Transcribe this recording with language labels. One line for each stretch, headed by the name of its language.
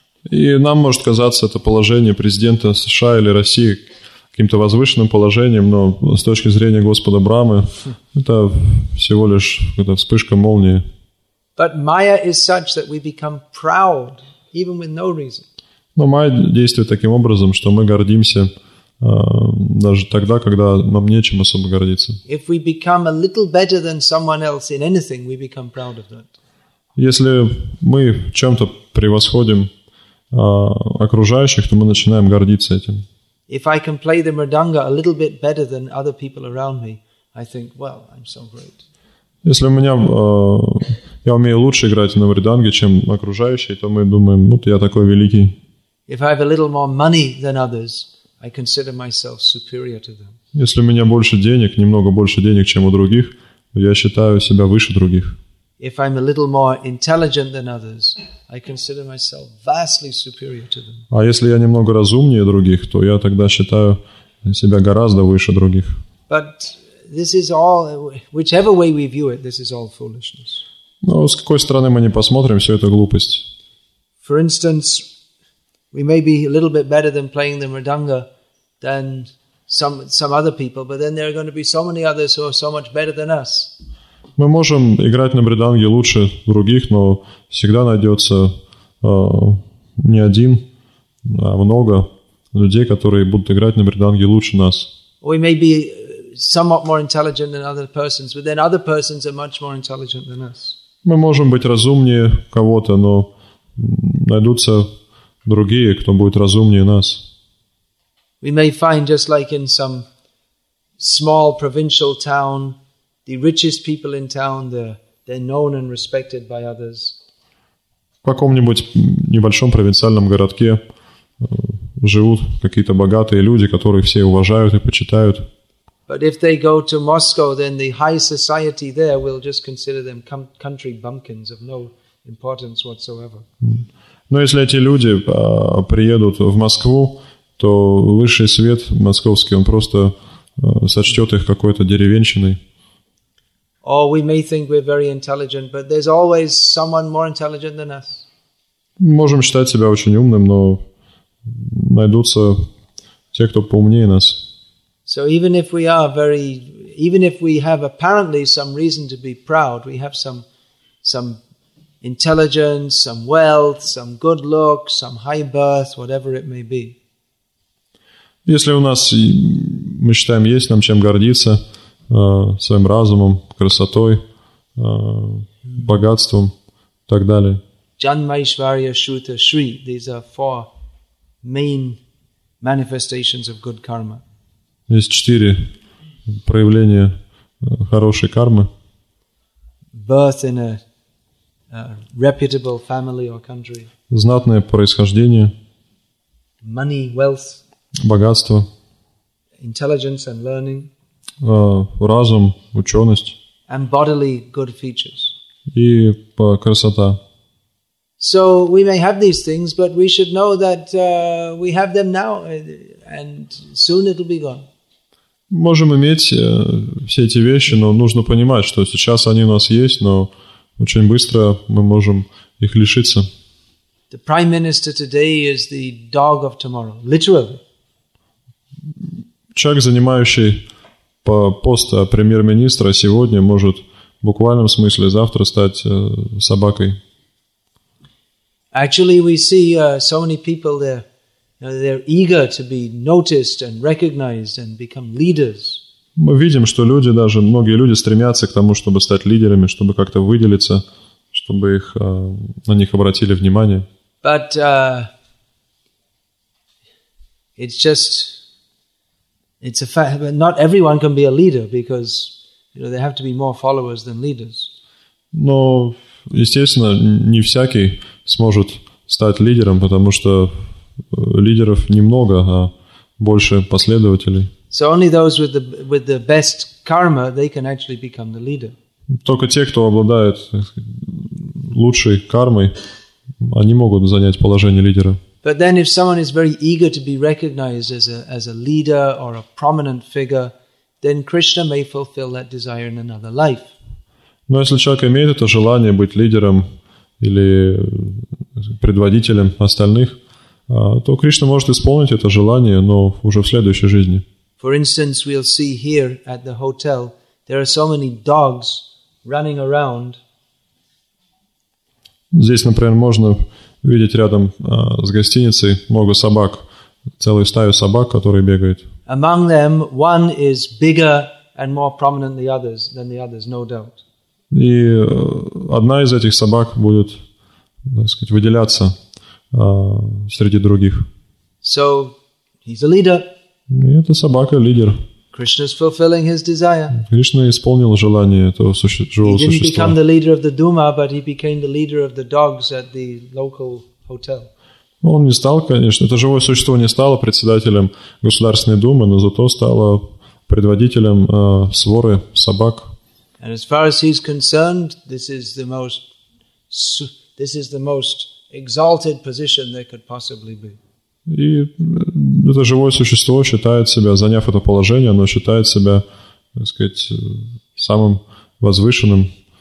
Russian: И нам может казаться это положение президента США или России каким-то возвышенным положением, но с точки зрения Господа Брамы это всего лишь это вспышка молнии.
English: But Maya is such that we become proud, even with no reason.
Russian: Но Майя действует таким образом, что мы гордимся даже тогда, когда нам нечем особо гордиться.
English: If we become a little better than someone else in anything, we become proud of that.
Russian: Если мы в чем-то превосходим окружающих, то мы начинаем гордиться этим.
English: If I can play the mridanga a little bit better than other people around me, I think, well, I'm so great.
Russian: Если у меня я умею лучше играть на мриданге, чем окружающие, то мы думаем, вот я такой великий.
English: If I have a little more money than others, I consider myself superior to them.
Russian: Если у меня больше денег, немного больше денег, чем у других, я считаю себя выше других.
English: If I'm a little more intelligent than others, I consider myself vastly superior to them.
Russian: А если я немного разумнее других, то я тогда считаю себя гораздо выше других.
English: But this is all, whichever way we view it, this is all foolishness.
Russian: Но с какой стороны мы не посмотрим, все это глупость.
English: For instance, we may be a little bit better than playing the mridanga than some other people, but then there are going to be so many others who are so much better than us.
Russian: Мы можем играть на мриданге лучше других, но всегда найдется не один, а много людей, которые будут играть на мриданге лучше нас.
English: We may be somewhat more intelligent than other persons, but then other persons are much more intelligent than us.
Russian: Мы можем быть разумнее кого-то, но найдутся другие, кто будет разумнее нас.
English: We may find, just like in some small provincial town, the richest people in town, they're known and respected by others.
Russian: В каком-нибудь небольшом провинциальном городке живут какие-то богатые люди, которые все уважают и почитают.
English: But if they go to Moscow, then the high society there will just consider them country bumpkins of no importance whatsoever.
Russian: Но если эти люди приедут в Москву, то высший свет московский, он просто сочтет их какой-то деревенщиной.
English: Or we may think we're very intelligent, but there's always someone more intelligent than us.
Russian: Можем считать себя очень умным, но найдутся те, кто поумнее нас.
English: So even if we are very, even if we have apparently some reason to be proud, we have some intelligence, some wealth, some good looks, some high birth, whatever it may be.
Russian: Если у нас, мы считаем, есть нам чем гордиться, своим разумом, красотой, богатством и так далее.
English: Janmaishvarya, Shruta, Shri, these are four main manifestations of good karma.
Russian: Есть четыре проявления хорошей кармы.
English: Birth in a reputable family or country.
Russian: Знатное происхождение.
English: Money, wealth.
Russian: Богатство.
English: Intelligence and learning.
Russian: Разум, ученость.
English: And bodily good features.
Russian: И красота.
English: So we may have these things, but we should know that we have them now, and soon it'll be gone.
Russian: Можем иметь все эти вещи, но нужно понимать, что сейчас они у нас есть, но очень быстро мы можем их лишиться.
English: The prime minister today is the dog of tomorrow, literally.
Russian: Человек, занимающий пост премьер-министра сегодня, может в буквальном смысле завтра стать собакой.
English: Actually, we see so many people there. Now they're eager to be noticed and recognized and become leaders.
Russian: Мы видим, что люди, даже многие люди, стремятся к тому, чтобы стать лидерами, чтобы как-то выделиться, чтобы их на них обратили внимание.
English: But it's a fact. But not everyone can be a leader because you know there have to be more followers than leaders.
Russian: Но естественно, не всякий сможет стать лидером, потому что лидеров немного, а больше последователей.
English: So only those with the best karma, they can actually become the leader.
Russian: Только те, кто обладает лучшей кармой, они могут занять положение лидера.
English: But then if someone is very eager to be recognized as a leader or a prominent figure, then Krishna may fulfill that desire in another life.
Russian: Но если человек имеет это желание быть лидером или предводителем остальных, то Кришна может исполнить это желание, но уже в следующей жизни.
English: For instance, we'll see here at the hotel, there are so many dogs running around.
Russian: Здесь, например, можно видеть рядом с гостиницей много собак, целую стаю собак, которые бегают.
English: Among them, one is bigger and more prominent than the others, no doubt.
Russian: И одна из этих собак будет, так сказать, выделяться среди других.
English: So, he's a leader.
Russian: И это собака лидер.
English: Krishna's fulfilling his desire.
Russian: Кришна исполнил желание этого живого
English: He didn't become the leader of the Duma, but he became the leader of the dogs at the local hotel.
Russian: Он не стал, конечно, это живое существо не стало председателем Государственной Думы, но зато стало предводителем своры собак.
English: And as far as he's concerned, this is the most exalted position there could possibly be.
Russian: И это живое существо считает себя, заняв это положение, оно считает себя, так сказать, самым возвышенным.